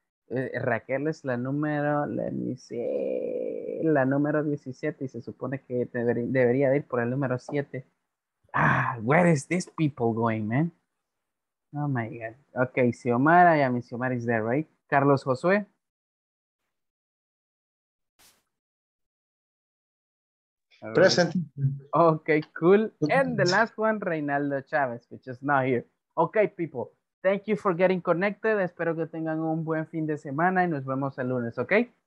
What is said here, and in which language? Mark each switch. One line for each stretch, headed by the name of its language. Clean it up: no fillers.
Spanish: Raquel es la número,
English: let me see,
Spanish: la número 17. Y se supone que debería ir por el número 7.
English: Ah, where is this people going, man? Oh my God. Okay, Xiomara, I mean, Xiomara is there, right? Carlos Josué. Right. Present. Okay, cool. And the last one, Reinaldo Chávez, which is not here. Okay, people, thank you for getting connected.
Spanish: Espero que tengan un buen fin de semana y nos vemos el lunes, okay?